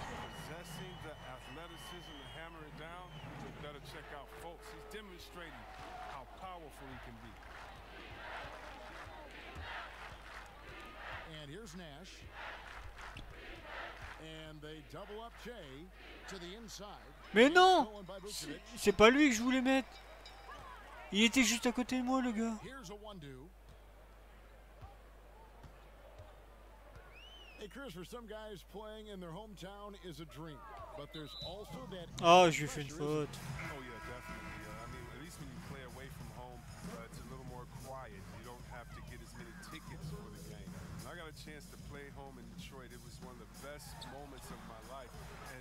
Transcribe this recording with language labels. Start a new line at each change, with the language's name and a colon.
English: Possessing the athleticism to hammer it down, you better check out Fultz. He's demonstrating how powerful he can be. And here's Nash. And they double up Jay to the inside.
French: Mais non, c'est pas lui que je voulais mettre. Il était juste à côté de moi, le gars.
English: Here's a 1-2. Hey Chris, for some guys playing in their hometown is a dream, but there's also that.
French: Oh, j'ai fait une faute.
English: Oh yeah, definitely. I mean, at least when you play away from home, it's a little more quiet. You don't have to get as many tickets for the game. I got a chance to play home in Detroit. It was one of the best moments of my life. And